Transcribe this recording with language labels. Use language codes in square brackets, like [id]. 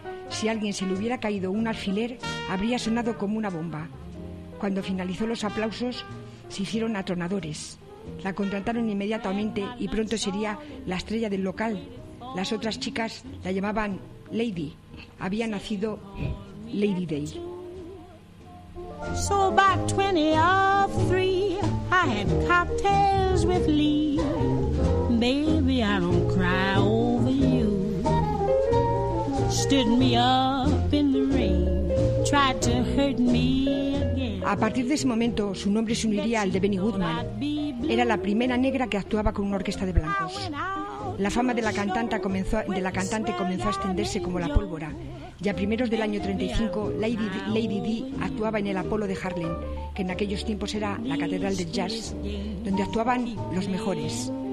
[es] Si a alguien se le hubiera caído un alfiler, habría sonado como una bomba. Cuando finalizó, los aplausos se hicieron atronadores. La contrataron inmediatamente y pronto sería la estrella del local. Las otras chicas la llamaban Lady. Había nacido Lady Day. [en] So about 20 of 3, I had cocktails with Lee. Baby, I don't cry over you. Stood me up in the rain, tried to hurt me. [es] A partir de ese momento, su nombre se uniría al de Benny Goodman. Era la primera negra que actuaba con una orquesta de blancos. La fama de la cantante comenzó a extenderse como la pólvora. Ya a primeros del año 35, Lady Di actuaba en el Apolo de Harlem, que en aquellos tiempos era la catedral del jazz, donde actuaban los mejores.